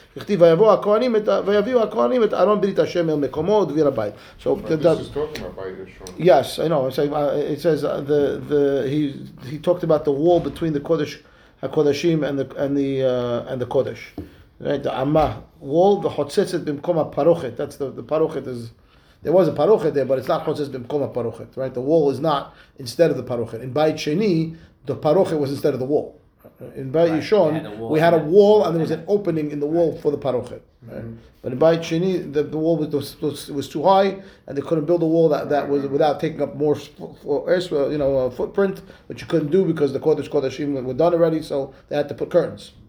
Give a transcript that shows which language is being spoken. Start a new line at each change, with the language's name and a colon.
Hebrew: הכתיב, ויביאו הכהנים את Aaron ברית השם אל מקומו, דביר הבית.
English: So, this is talking about Bayit Rishon. Yes, I know. It says, he talked about the wall between the Kodesh, HaKodeshim, and the Kodesh. Right? The Amma. Wall,
Hebrew: וחוצצת במקום הפרוכת.
English: That's the parochet is... There was a parochet there, but it's not
Hebrew: chotzetz b'mkom parochet,
English: right? The wall is not instead of the parochet. In Bayit Sheni, the parochet was instead of the wall. In Bayit Yishon, we had a wall and there was an opening in the wall for the parochet. Right? Mm-hmm. But in Bayit Sheni, the wall was too high and they couldn't build a wall that was without taking up more footprint, which you couldn't do because the kodeshim were done already, so they had to put curtains.